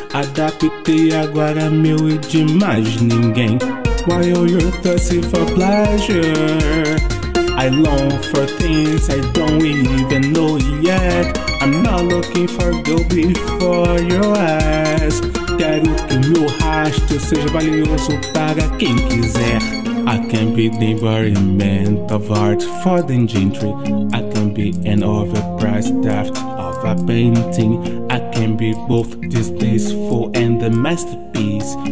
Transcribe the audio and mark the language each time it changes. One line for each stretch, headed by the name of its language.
Portuguese: Adaptei agora meu e de mais ninguém.
English: While you're thirsty for pleasure, I long for things I don't even know yet. I'm not looking for gold before your eyes.
Portuguese: Quero que meu rastro seja valioso para quem quiser.
English: I can be the embodiment of art for the gentry. I can be an overpriced draft of a painting. I can be both distasteful and the masterpiece.